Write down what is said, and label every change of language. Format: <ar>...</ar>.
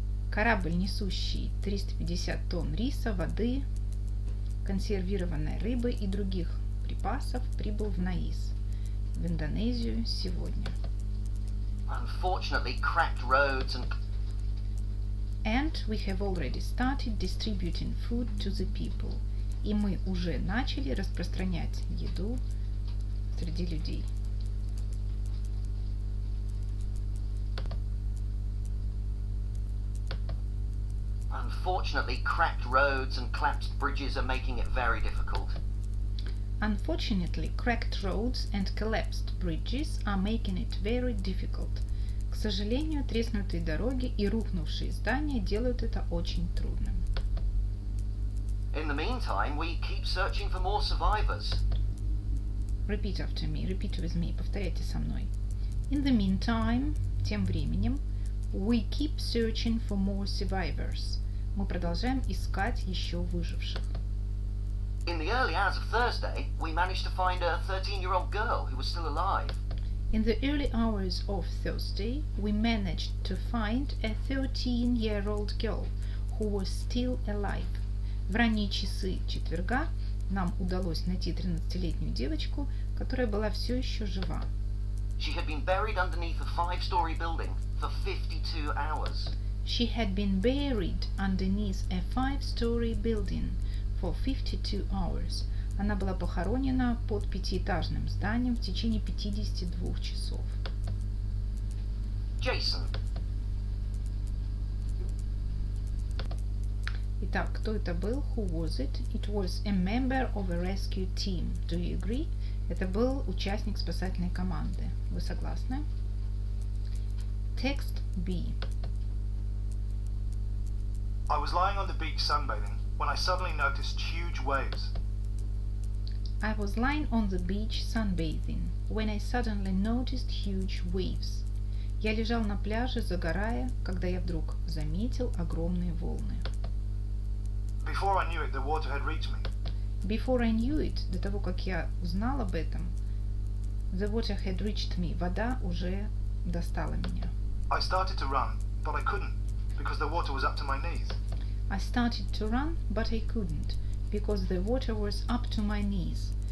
<ru>Корабль, несущий 350 тонн риса, воды, консервированной рыбы и других припасов, прибыл в Наис, в Индонезию сегодня.</ru> <en>Unfortunately, cracked roads and... And we have already started distributing food to the people.</en> <ru>и мы уже начали распространять еду среди людей.</ru> <en>Unfortunately, cracked roads and collapsed bridges are making it very difficult. Unfortunately, cracked roads and collapsed bridges are making it very difficult.</en> <ru>К сожалению, треснутые дороги и рухнувшие здания делают это очень трудным.</ru> <en>In the meantime, we keep searching for more survivors. Repeat after me. Repeat with me.</en> <ru>Повторяйте со мной.</ru> <en>In the meantime,</en> <ru>тем временем,</ru> <en>we keep searching for more survivors.</en> <ru>Мы продолжаем искать еще выживших.</ru> <en>In the early hours of Thursday, we managed to find a 13-year-old girl who was still alive. In the early hours of Thursday, we managed to find a 13-year-old girl who was still alive.</en> <ru>В ранние часы четверга нам удалось найти 13-летнюю девочку, которая была все еще жива.</ru> <en>She had been buried underneath a 5-story building for 52 hours. She had been buried underneath a 5-story building for 52 hours.</en> <ru>Она была похоронена под пятиэтажным зданием в течение 52 часов.</ru> <en>Jason.</en> <ru>Итак, кто это был?</ru> <en>Who was it? It was a member of a rescue team. Do you agree?</en> <ru>Это был участник спасательной команды. Вы согласны?</ru> <en>Text B. I was lying on the beach sunbathing when I suddenly noticed huge waves. I was lying on the beach sunbathing when I suddenly noticed huge waves.</en> <ru>Я лежал на пляже, загорая, когда я вдруг заметил огромные волны.</ru> <en>Before I knew it, the water had reached me. Before I knew it,</en> <ru>до того, как я узнал об этом,</ru> <en>the water had reached me.</en> <ru>Вода уже достала меня.</ru> <en>I started to run, but I couldn't. Because the water was up to my knees. I started to run, but I couldn't, because the water was up to my knees.</en>